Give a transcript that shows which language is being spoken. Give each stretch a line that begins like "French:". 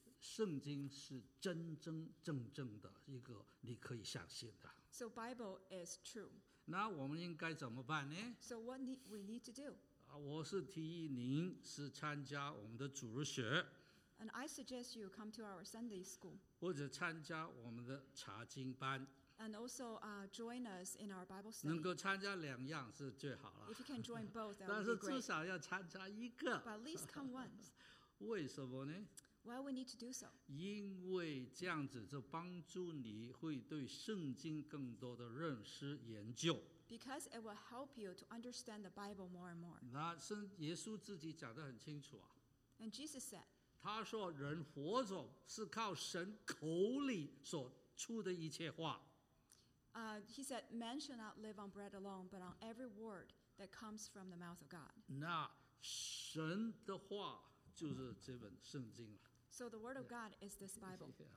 Chinese: 圣经是真真正正的一个你可以相信的。
English: So Bible is true.
Chinese: 那我们应该怎么办呢
English: ？So what we need to do?
Chinese: 我是提议您是参加我们的主日学。
English: And I suggest you come to our Sunday school.
Chinese: 或者参加我们的查经班。
English: And also join us in our Bible study.
Chinese: 能够参加两样是最好了。
English: If you can join both, that be great.
Chinese: 但是至少要参加一个。
English: But at least come once.
Chinese: 为什么呢？
English: Why we need to do so?
Chinese: 因为这样子就帮助你会对圣经更多的认识研究。
English: Because it will help you to understand the Bible more and more.
Chinese: 那耶稣自己讲得很清楚啊。
English: And Jesus said,
Chinese: 他说人活着是靠神口里所出的一切话。
English: He said, man shall not live on bread alone, but on every word that comes from the mouth of God.
Chinese: 那神的话就是这本圣经了。
English: So the word of God is this Bible.